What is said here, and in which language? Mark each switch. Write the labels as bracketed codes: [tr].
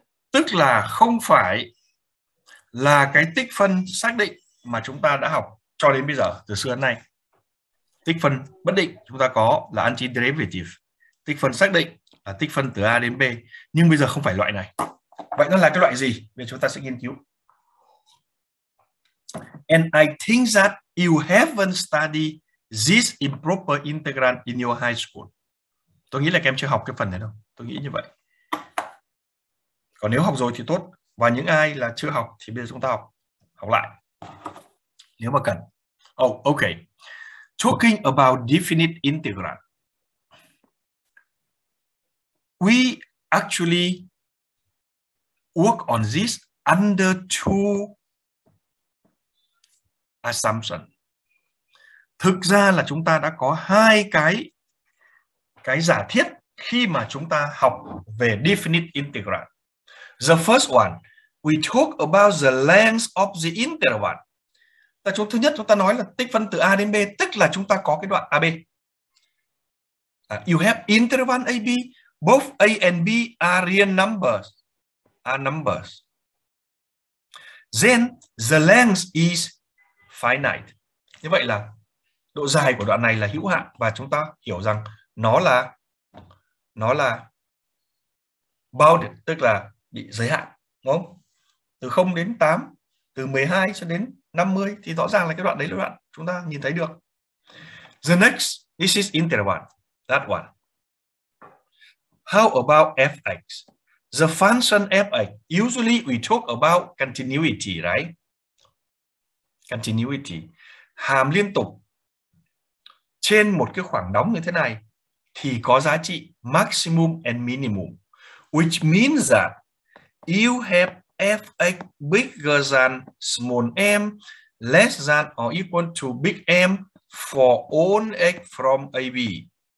[vi] Tức là không phải là cái tích phân xác định mà chúng ta đã học cho đến bây giờ, từ xưa đến nay. Tích phân bất định chúng ta có là antiderivative. Tích phân xác định là tích phân từ A đến B. Nhưng bây giờ không phải loại này. Vậy nó là cái loại gì? Bây giờ chúng ta sẽ nghiên cứu. [en] And I think that you haven't studied this improper integrand in your high school. [vi] Tôi nghĩ là các em chưa học cái phần này đâu. Tôi nghĩ như vậy. Còn nếu học rồi thì tốt. Và những ai là chưa học thì bây giờ chúng ta học lại. Nếu mà cần. [en] Oh, okay. Talking about definite integrand. We actually work on this under two assumption. [vi] Thực ra là chúng ta đã có hai cái giả thiết khi mà chúng ta học về definite integrand. [en] The first one, we talk about the length of the interval. [vi] Thứ nhất chúng ta nói là tích phân từ A đến B, tức là chúng ta có cái đoạn AB. [en] You have interval AB, both A and B are real numbers. Are numbers. Then the length is finite. [vi] Như vậy là độ dài của đoạn này là hữu hạn và chúng ta hiểu rằng nó là bounded, tức là bị giới hạn, đúng không? Từ 0 đến 8, từ 12 cho đến 50 thì rõ ràng là cái đoạn đấy là đoạn chúng ta nhìn thấy được. [en] The next, this is interval, that one. How about fx? The function fx, usually we talk about continuity, right? Continuity, [vi] hàm liên tục trên một cái khoảng đóng như thế này thì có giá trị [en] maximum and minimum, which means that you have fx bigger than small m, less than or equal to big m for all x from AB.